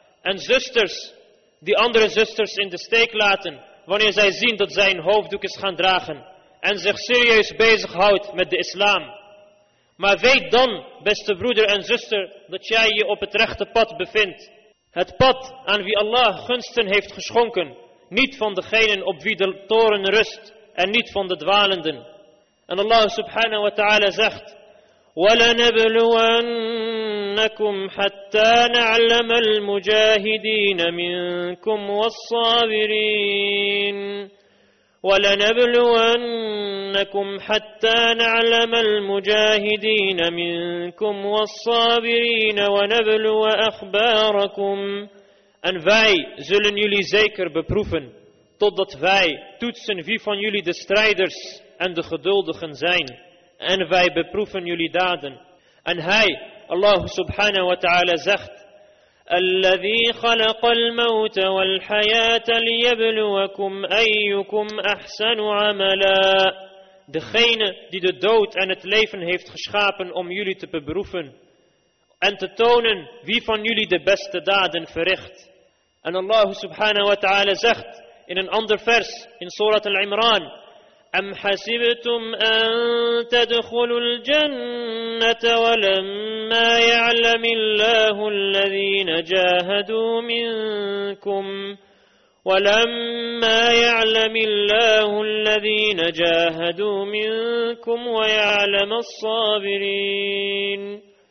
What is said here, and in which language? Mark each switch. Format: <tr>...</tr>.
<nl>En zusters die andere zusters in de steek laten wanneer zij zien dat zij een hoofddoek is gaan dragen en zich serieus bezighoudt met de islam. Maar weet dan, beste broeder en zuster, dat jij je op het rechte pad bevindt. Het pad aan wie Allah gunsten heeft geschonken, niet van degenen op wie de toren rust en niet van de dwalenden. En Allah subhanahu wa ta'ala zegt:</nl> <ar>وَلَنَبْلُوَنَّكُمْ حَتَّى نَعْلَمَ الْمُجَاهِدِينَ مِنْكُمْ وَالصَّابِرِينَ وَلَنَبْلُوَنَّكُمْ حَتَّى نَعْلَمَ الْمُجَاهِدِينَ مِنْكُمْ وَالصَّابِرِينَ وَنَبْلُوَ أَخْبَارَكُمْ.</ar> <nl>En wij zullen jullie zeker beproeven, totdat wij toetsen wie van jullie de strijders en de geduldigen zijn. En wij beproeven jullie daden. En hij, Allah subhanahu wa ta'ala, zegt:</nl> <ar>الذي خلق الموت والحياة ليبلوكم أيكم أحسن عملا.</ar> <nl>Degene die de dood en het leven heeft geschapen om jullie te beproeven en te tonen wie van jullie de beste daden verricht. En Allah subhanahu wa ta'ala zegt in een ander vers in Surat al-Imran:</nl> <ar>أَمْ حَسِبْتُمْ أَن تَدْخُلُوا الْجَنَّةَ وَلَمَّا يَعْلَمِ اللَّهُ الَّذِينَ جَاهَدُوا مِنْكُمْ وَيَعْلَمَ الصَّابِرِينَ.</ar>